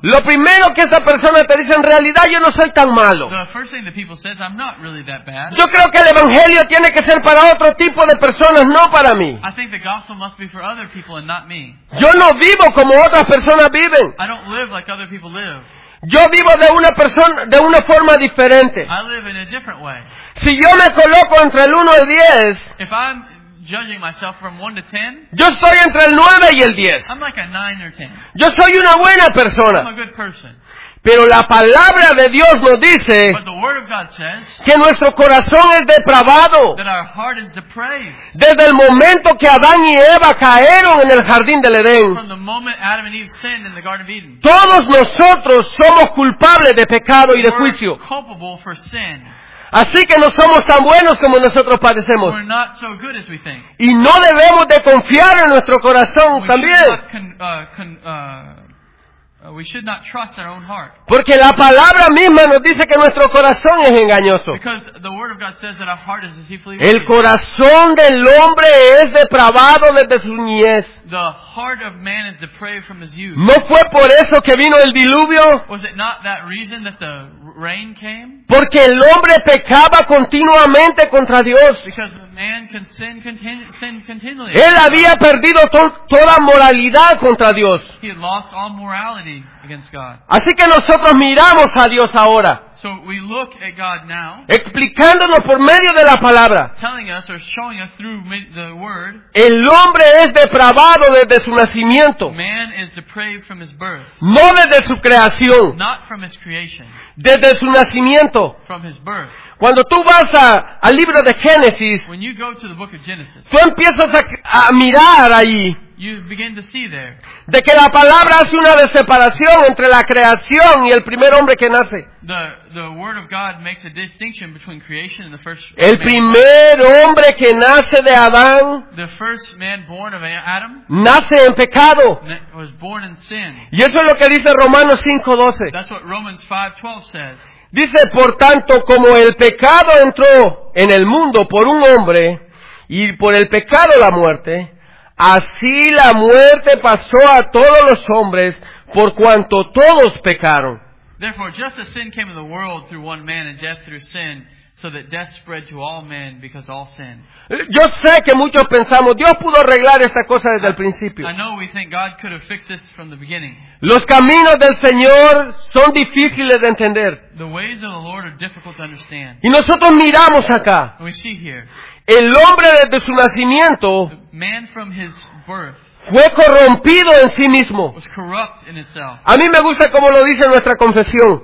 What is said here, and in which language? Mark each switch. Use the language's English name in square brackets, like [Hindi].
[Spanish] lo primero que esa persona te dice, en realidad yo no soy tan malo. [English] The first thing that people says, I'm not really that bad. [Spanish] Yo creo que el evangelio tiene que ser para otro tipo de personas, no para mí. [English] I think the gospel must be for other people and not me. [Spanish] Yo no vivo como otras personas viven. [English] I don't live like other people live. [Spanish] Yo vivo de una forma diferente. [English] I live in a different way. [Spanish] Si yo me coloco entre el 1 y el 10, [English] if I'm judging myself from 1 to 10, [Spanish] yo estoy entre el 9 y el 10. [English] I'm like a 9 or 10. [Spanish] Yo soy una buena persona. [English] I'm a good person. [Spanish] Pero la palabra de Dios nos dice, [English] but the word of God says, [Spanish] que nuestro corazón es depravado. [English] That our heart is depraved. [Spanish] Desde el momento que Adán y Eva cayeron en el jardín del Edén, [English] from the moment Adam and Eve sinned in the Garden of Eden, [Spanish] todos nosotros somos culpables de pecado y de juicio. [English] We're culpable for sin. [Spanish] Así que no somos tan buenos como nosotros parecemos. [English] We're not so good as we think. [Spanish] Y no debemos de confiar en nuestro corazón [English] we [Spanish] también. [English] Should not We should not trust our own heart. [Spanish] Porque la palabra misma nos dice que nuestro corazón es engañoso. [English] Because the word of God says that our heart is deceitfully wicked. [Spanish] El corazón del hombre es depravado desde su niñez. [English] The heart of man is depraved from his youth. [Spanish] ¿No fue por eso que vino el diluvio? [English] Was it not that reason that the rain came? [Spanish] Porque el hombre pecaba continuamente contra Dios. [English] Because the man can sin continually. [Spanish] Él había perdido toda moralidad contra Dios. [English] He had lost all morality against God. [Spanish] Así que nosotros miramos a Dios ahora. [English] So we look at God now. [Spanish] Explicándonos por medio de la palabra. [English] Telling us or showing us through the word. [Spanish] El hombre es depravado desde su nacimiento. [English] Man is depraved from his birth. [Spanish] No desde su creación. [English] Not from his creation. [Spanish] Desde su nacimiento. [English] From his birth. [Spanish] Cuando tú vas al libro de Génesis, [English] when you go to the book of Genesis, [Spanish] tú empiezas a mirar ahí. [English] You begin to see there. [Spanish] De que la palabra hace una separación entre la creación y el primer hombre que nace. [English] The word of God makes a distinction between creation and the first man. [Spanish] El primer hombre que nace de Adán, [English] the first man born of Adam, [Spanish] nace en pecado. [English] Was born in sin. [Spanish] Y eso es lo que dice Romanos 5:12. [English] That's what Romans 5:12 says. [Spanish] Dice, por tanto, como el pecado entró en el mundo por un hombre y por el pecado la muerte, así la muerte pasó a todos los hombres por cuanto todos pecaron. [English] Therefore, just as sin came in the world through one man and death through sin, so that death spread to all men because all sin. [Spanish] Yo sé que muchos pensamos, Dios pudo arreglar esta cosa desde el principio. [English] I know we think God could have fixed this from the beginning. [Spanish] Los caminos del Señor son difíciles de entender. [English] The ways of the Lord are difficult to understand. [Spanish] Y nosotros miramos acá. [English] We see here. [Spanish] El hombre desde su nacimiento, [English] the man from his birth, [Spanish] fue corrompido en sí mismo. [English] Was corrupt in itself. [Spanish] A mí me gusta cómo lo dice nuestra confesión.